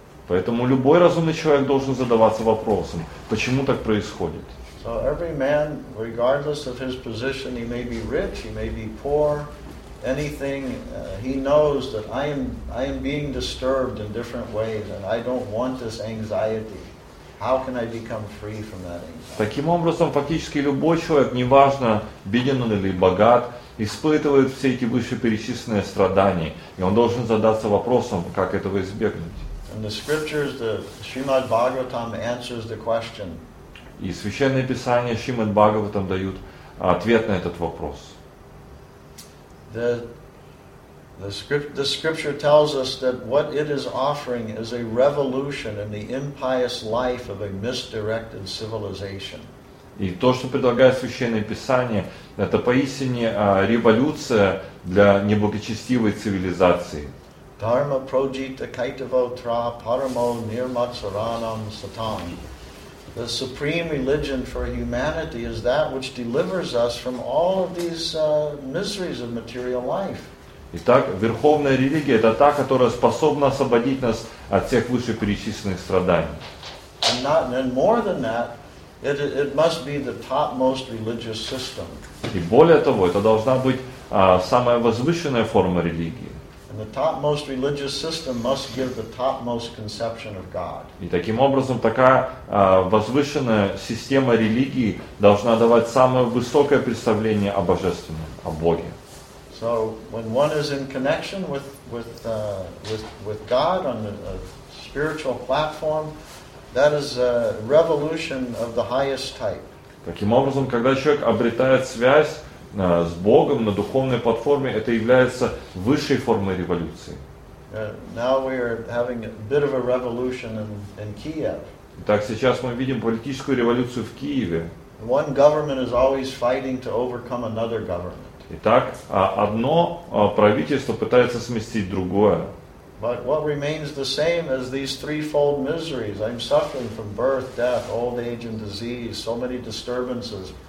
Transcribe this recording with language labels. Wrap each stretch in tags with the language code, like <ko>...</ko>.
<ru>Поэтому любой разумный человек должен задаваться вопросом, почему так происходит.</ru> <en>So every man, regardless of his position, he may be rich, he may be poor, anything, he knows that I am being disturbed in different ways, and I don't want this anxiety. How can I become free from that anxiety?</en> <ru>Таким образом, фактически любой человек, неважно, беден он или богат, испытывает все эти вышеперечисленные страдания, и он должен задаться вопросом, как этого избегнуть.</ru> <en>In the scriptures, the Srimad Bhagavatam answers the question.</en> <ru>И священное писание Шримад Бхагаватам дают ответ на этот вопрос.</ru> <en>The scripture tells us that what it is offering is a revolution in the impious life of a misdirected civilization.</en> <ru>И то, что предлагает священное писание, это поистине революция для неблагочестивой цивилизации.</ru> <sa>Dharma projita kaitavo tra paramo nirmatsaranam satam.</sa> <en>The supreme religion for humanity is that which delivers us from all of these miseries of material life.</en> <ru>Итак, верховная религия это та, которая способна освободить нас от всех вышеперечисленных страданий.</ru> <en>And more than that, it must be the topmost religious system.</en> <ru>И более того, это должна быть самая возвышенная форма религии.</ru> <en>And the topmost religious system must give the topmost conception of God.</en> <ru>И таким образом такая возвышенная система религии должна давать самое высокое представление о божественном, о Боге.</ru> <en>So when one is in connection with God on a spiritual platform, that is a revolution of the highest type.</en> <ru>Таким образом, когда человек обретает связь с Богом на духовной платформе, это является высшей формой революции.</ru> <en>Now we are having a bit of a revolution in Kiev.</en> <ru>Итак, сейчас мы видим политическую революцию в Киеве.</ru> <en>One government is always fighting to overcome another government.</en> <ru>Итак, одно правительство пытается сместить другое.</ru> <en>But what remains the same is these threefold miseries. I'm suffering from birth, death, old age and disease, so many disturbances.</en>